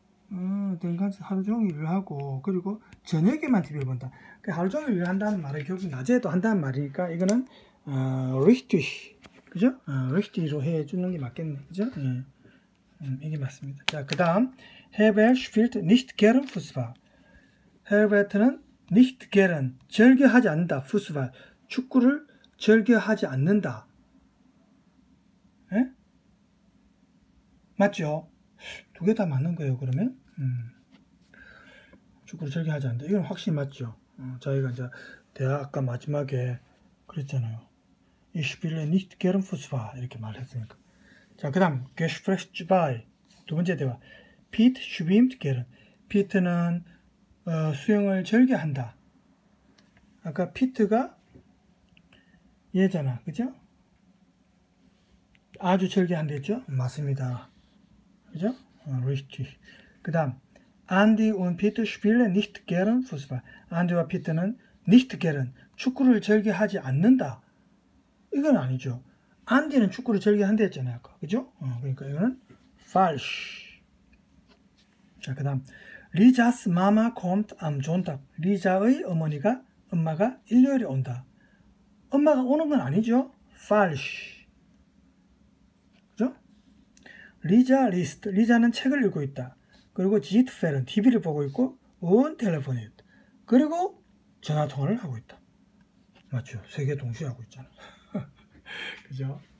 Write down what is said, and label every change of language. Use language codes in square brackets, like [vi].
[ko] 된간지 하루 종일 일을 하고 그리고 저녁에만 TV를 본다. 하루 종일 일을 한다는 말은 결국 낮에도 한다는 말이니까 이거는 richtig, 그죠? richtig로 해주는 게 맞겠네, 그죠? 예. 이게 맞습니다. 자, 그 다음 [de] Herbert spielt nicht gern Fußball. [ko] Herbert는 [de] nicht gern, [ko] 즐겨하지 않는다, Fußball, 축구를 즐겨하지 않는다. 예? 맞죠? 두 개 다 맞는 거예요, 그러면? 축구를 즐겨하지 않는다. 이건 확실히 맞죠. 저희가 이제 대학 아까 마지막에 그랬잖아요. [de] Ich spiele nicht gern Fußball. [ko] 이렇게 말했으니까. 자, 그 다음. [de] Gespräch dabei. [ko] 두 번째 대화. [de] Pete schwimmt gern. [ko] Pete는 수영을 즐겨한다. 아까 Pete가 얘잖아. 그죠? 아주 즐겨한다 했죠? 맞습니다. 그죠? Richtig. 그 다음, [de] Andy und Peter spielen nicht gern Fußball. [ko] Andy와 Peter는 [de] nicht gern, [ko] 축구를 즐겨하지 않는다. 이건 아니죠. Andy는 축구를 즐겨한다 했잖아요. 그죠? 그러니까 이거는 falsch. 자, 그 다음, [de] Lisa's Mama kommt am Sonntag. [ko] Lisa의 어머니가, 엄마가 일요일에 온다. 엄마가 오는 건 아니죠. falsch. 그죠? [de] Lisa liest. [ko] Lisa는 책을 읽고 있다. 그리고 지트펠은 TV를 보고 있고 온 텔레폰이 있다. 그리고 전화통화를 하고 있다. 맞죠? 세 개 동시에 하고 있잖아. 그죠?